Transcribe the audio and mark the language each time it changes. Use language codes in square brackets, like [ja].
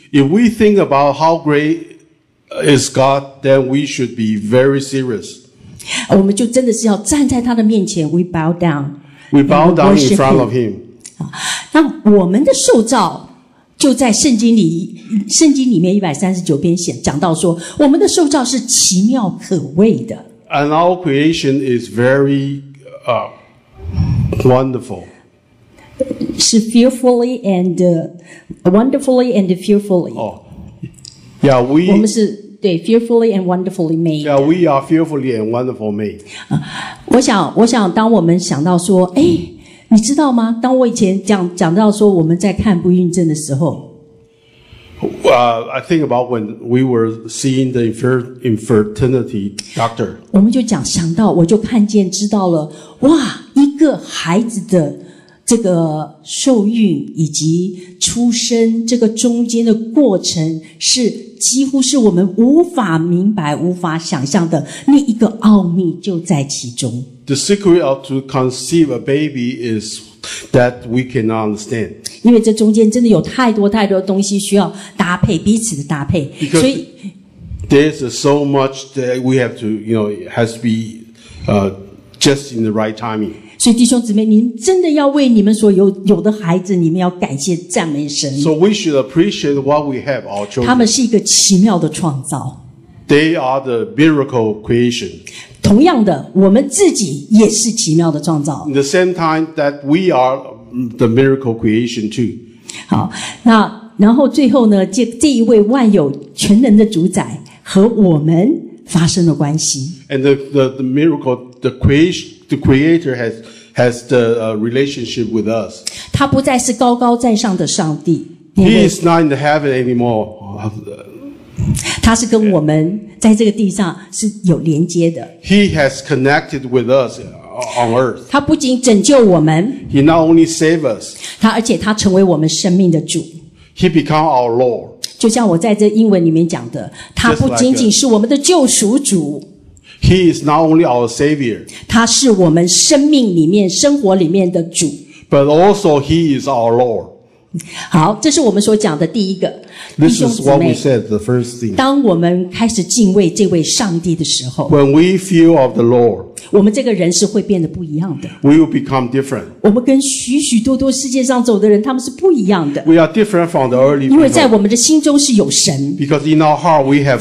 [en] If we think about how great is God, then we should be very serious. [zh] 我们就真的是要站在他的面前 ， [en] we bow down. We bow down in front of him. [zh] 那我们的受造。就在圣经里面139篇写讲到说，我们的受造是奇妙可畏的。 [en] And our creation is very wonderful. 是 fearfully and wonderfully and fearfully. Oh, yeah, we. [zh] 我们是对 [en] fearfully and wonderfully made. Yeah, we are fearfully and wonderful made. [zh] 我想，当我们想到说，哎，你知道吗？当我以前讲到说我们在看不孕症的时候。 [en] I think about when we were seeing the infertility doctor. [zh] 我们就讲想到我就看见知道了，哇，一个孩子的这个受孕以及出生这个中间的过程是几乎是我们无法明白无法想象的，那一个奥秘就在其中。 [en] The secret of to conceive a baby is that we cannot understand. [zh] 因为这中间真的有太多太多东西需要搭配，彼此的搭配。 [en] Because、所以 there's so much that we have to, you know, has to be, just in the right timing. [zh] 所以弟兄姊妹，您真的要为你们所有的孩子，你们要感谢赞美神。 [en] So we should appreciate what we have, our children. [zh] 他们是一个奇妙的创造。 [en] They are the miracle creation. [zh] 同样的，我们自己也是奇妙的创造。 [en] In the same time that we are the miracle creation too. [zh] 好，那然后最后呢，这一位万有全能的主宰和我们发生了关系。 [en] And the miracle, the creator has the relationship with us. [zh] 他不再是高高在上的上帝。 [en] He is not in the heaven anymore. [zh] 他是跟我们在这个地上是有连接的。 [en] He has connected with us on earth. [zh] 他不仅拯救我们。 [en] He not only saved us. [zh] 他而且他成为我们生命的主。 [en] He become our Lord. [zh] 就像我在这英文里面讲的，他不仅仅是我们的救赎主。 [en] He is not only our Savior. [zh] 他是我们生命里面、生活里面的主。 [en] But also He is our Lord. [zh] 好，这是我们所讲的第一个。弟兄姊妹 [en] This is what we said, the first thing. [zh] 当我们开始敬畏这位上帝的时候 [en] When we feel of the Lord, [zh] 我们这个人是会变得不一样的。 [en] We will become different. [zh] 我们跟许许多多世界上走的人他们是不一样的。 [en] We are different from the early people. [zh] 因为在我们的心中是有神。 [en] Because in our heart we have God.